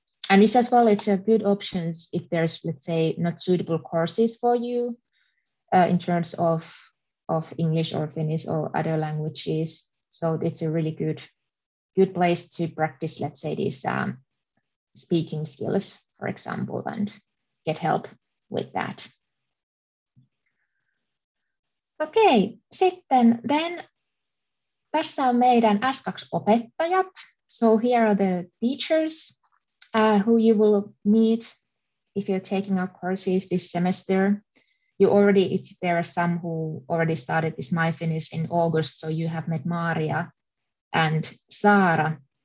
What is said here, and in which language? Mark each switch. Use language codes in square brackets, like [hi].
[en] And this as well, it's a good option if there's, let's say, not suitable courses for you in terms of English or Finnish or other languages. So it's a really good place to practice, let's say, these speaking skills, for example, and get help with that. [fi] Okay, sitten then tässä on meidän S2-opettajat. [en] So here are the teachers who you will meet if you're taking our courses this semester. If there are some who already started this My Finnish in August, so you have met Maria and Sara.